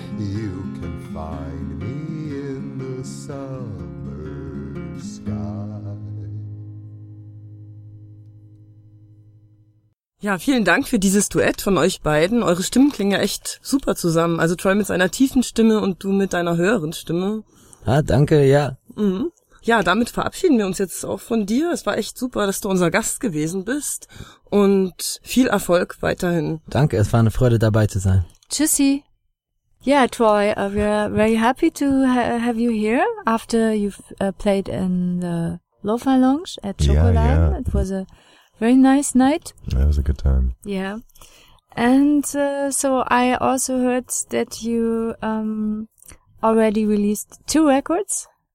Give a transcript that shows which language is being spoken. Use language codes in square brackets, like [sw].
[en] You can find me in the summer sky. [de] Ja, vielen Dank für dieses Duett von euch beiden. Eure Stimmen klingen ja echt super zusammen. Also Troy mit seiner tiefen Stimme und du mit deiner höheren Stimme. Ah, danke, ja. Mhm. Ja, damit verabschieden wir uns jetzt auch von dir. Es war echt super, dass du unser Gast gewesen bist. Und viel Erfolg weiterhin. Danke, es war eine Freude, dabei zu sein. Tschüssi. [en] Yeah, Troy, we are very happy to have you here after you've played in the Lo-Fi Lounge at Chocolat. Yeah, yeah. It was a very nice night. That was a good time. Yeah. And so I also heard that you already released 2 records.